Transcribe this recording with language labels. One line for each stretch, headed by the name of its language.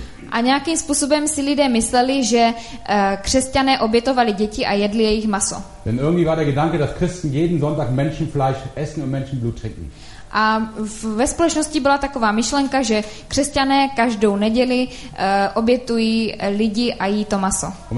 Czech: A nějakým způsobem si lidé mysleli, že křesťané obětovali děti a jedli jejich maso.
German: Denn irgendwie war der Gedanke, dass Christen jeden Sonntag Menschenfleisch essen und Menschenblut trinken.
Czech: A ve společnosti byla taková myšlenka, že křesťané každou neděli obětují lidi a jí to maso.